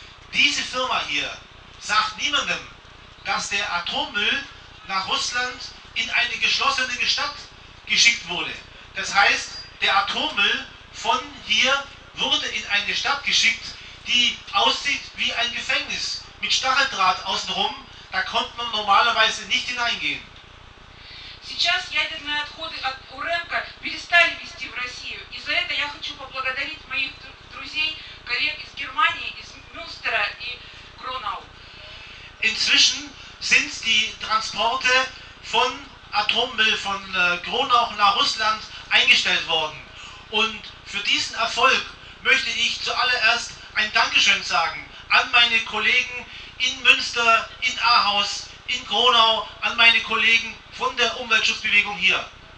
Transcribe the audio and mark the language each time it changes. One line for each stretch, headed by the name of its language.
German: Diese Firma hier sagt niemandem, dass der Atommüll nach Russland in eine geschlossene Stadt geschickt wurde. Das heißt, der Atommüll von hier wurde in eine Stadt geschickt, die aussieht wie ein Gefängnis mit Stacheldraht außenrum. Da konnte man normalerweise nicht hineingehen.
Russian: Сейчас ядерные отходы от УРЭНКО перестали везти в Россию. И за это я хочу поблагодарить моих друзей, коллег из Германии, из Мюнстера и Гронау.
German: Inzwischen sind die Transporte von Atommüll von Gronau nach Russland eingestellt worden. Und für diesen Erfolg möchte ich zuallererst ein Dankeschön sagen an meine Kollegen in Münster, in Ahaus, in Gronau, an meine Kollegen von der Umweltschutzbewegung hier.